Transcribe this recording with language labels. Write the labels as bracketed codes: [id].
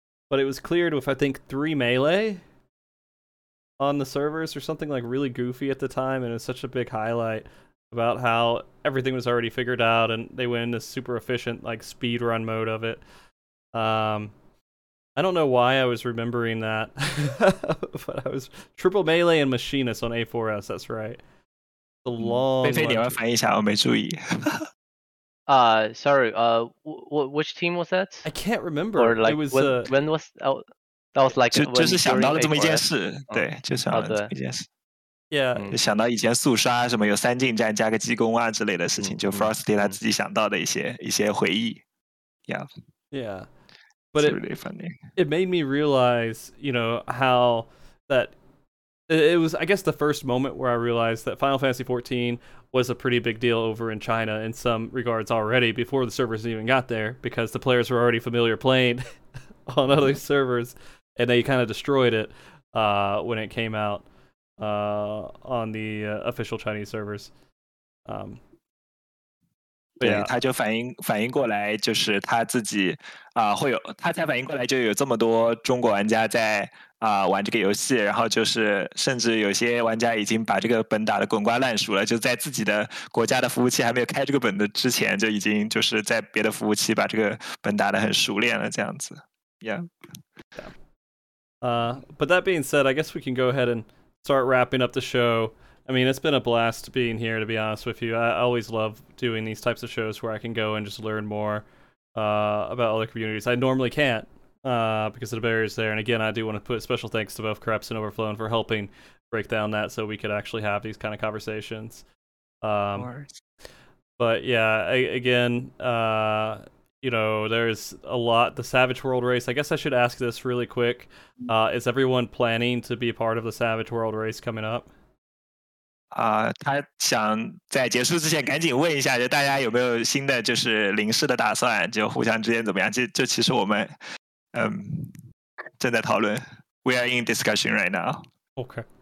[en] But it was cleared with, I think, 3 melee on the servers or something like really goofy at the time, and it was such a big highlight about how everything was already figured out, and they went into super efficient like speed run mode of it. I don't know why I was remembering that, but I was triple melee and machinist on A4S. That's right. The long. [zh] 菲菲，你要翻译一下，我没注意。 [en] Sorry. Which team was that? I can't remember. Or like it was, when was that was like [zh] 就是想到了这么一件事，对，就想到这么一件事。 [en] Yeah. [zh] 想到以前速杀什么有三进站加个激攻啊之类的事情，就 Frosty 他自己想到的一些回忆。 [en] Yeah. Yeah. But it's really funny. It made me realize, you know, how that it was, I guess, the first moment where I realized that Final Fantasy XIV was a pretty big deal over in China in some regards already before the servers even got there, because the players were already familiar playing on other servers and they kind of destroyed it when it came out on the official Chinese servers. Yeah. [zh] 对，他就反应过来，就是他自己会有，他才反应过来就有这么多中国玩家在玩这个游戏，然后就是甚至有些玩家已经把这个本打得滚瓜烂熟了，就在自己的国家的服务器还没有开这个本的之前，就已经就是在别的服务器把这个本打得很熟练了，这样子。 Yeah. [en] But that being said, I guess we can go ahead and start wrapping up the show. I mean, it's been a blast being here, to be honest with you. I always love doing these types of shows where I can go and just learn more about other communities. I normally can't because of the barriers there. And again, I do want to put special thanks to both Creps and Overflow for helping break down that so we could actually have these kind of conversations. But yeah, there's a lot. The Savage World Race, I guess I should ask this really quick. Is everyone planning to be a part of the Savage World Race coming up? [zh] 他想在结束之前赶紧问一下，就大家有没有新的就是临时的打算，就互相之间怎么样？就其实我们，正在讨论。 [en] We are in discussion right now. Okay.